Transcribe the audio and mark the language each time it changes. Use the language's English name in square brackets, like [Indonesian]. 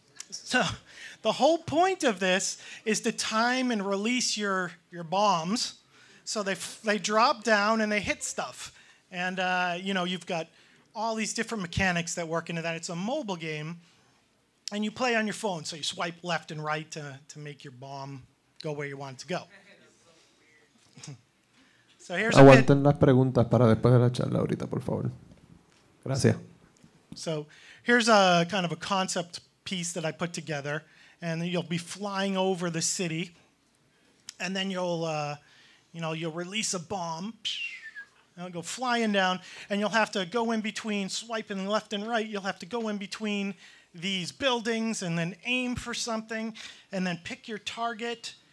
[English] So the whole point of this is to time and release your bombs. So they drop down and they hit stuff. And you know, you've got all these different mechanics that work into that. It's a mobile game, and you play on your phone, so you swipe left and right to make your bomb go where you want it to go. So here's [Spanish] aguanten las preguntas para después de la charla ahorita, por favor. Gracias. [English] So here's a kind of a concept piece that I put together, and you'll be flying over the city, and then you'll, you know, you'll release a bomb, and it'll go flying down, and you'll have to go in between, swiping left and right, you'll have to go in between these buildings and then aim for something, and then pick your target.